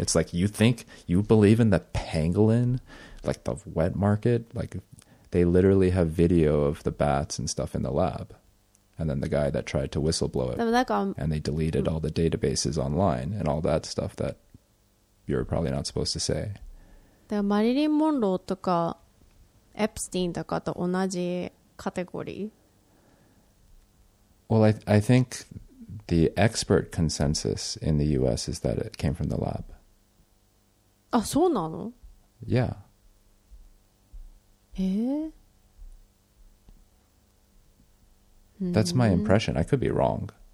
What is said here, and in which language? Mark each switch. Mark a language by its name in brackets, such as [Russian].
[English] It's like, you think, you believe in the pangolin, like the wet market? Like, they literally have video of the bats and stuff in the lab. And then the guy that tried to whistleblow it. And they deleted all the databases online and all that stuff that you're probably not supposed to say. [Japanese] でもマリリン・モンローとかエプスティンとかと同じカテゴリ [English] ー Well, I think the expert consensus in the US is that it came from the lab. [Japanese] あ、そうなの? [English] Yeah. [Japanese] え? [English] That's my impression. I could be wrong.